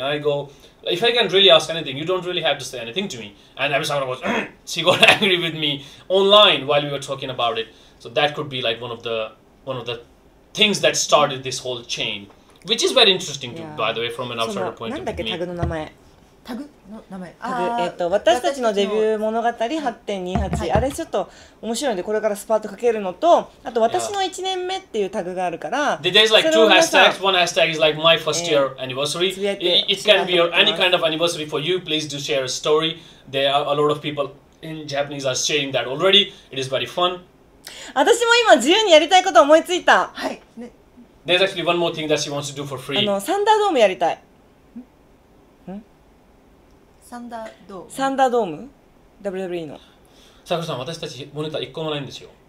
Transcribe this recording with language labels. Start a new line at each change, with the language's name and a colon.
English: And I go, if I can really ask anything, you don't really have to say anything to me. And every time I was, she got angry with me online while we were talking about it. So that could be like one of the things that started this whole chain, which is very interesting, to, by the way, from an outsider point of view. What's the name of the
Japanese: tag? タグの名前、私たちのデビュー物語 8.28、はい、あれちょっと面白いのでこれからスパートかけるのと、あと私の1年目っていうタグがあるから、
English: yeah. There's like two hashtags. One hashtag is like my first year anniversary. It can be your any kind of anniversary for you. Please do share a story. There are a lot of people in Japanese are sharing that already. It is very fun.
Japanese: 私も今自由にやりたいことを思いついた。はい。
English: There's actually one more thing that she wants to do for free.
Japanese: あのサンダードームやりたい。サンダードーム、サンダードーム WWE の。さくらさん、私たちモネタ1個もないんですよ。